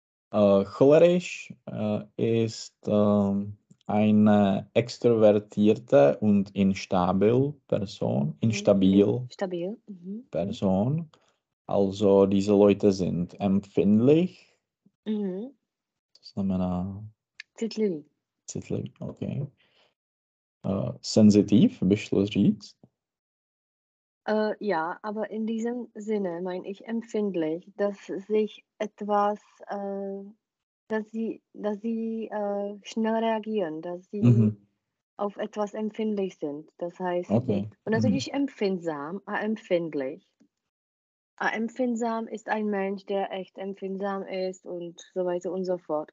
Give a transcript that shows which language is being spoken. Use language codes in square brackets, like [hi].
[de] Cholerisch ist eine extrovertierte und instabil mhm. Person. Also diese Leute sind empfindlich. Mhm. [cs] Das znamená... Zitlivý. Zitlivý, okay. Sensitiv, by šlo říct. [de] Ja, aber in diesem Sinne meine ich empfindlich, dass sich etwas, dass sie schnell reagieren, dass sie auf etwas empfindlich sind. Das heißt, Okay. und natürlich empfindsam, empfindlich. Empfindsam ist ein Mensch, der echt empfindsam ist und so weiter und so fort.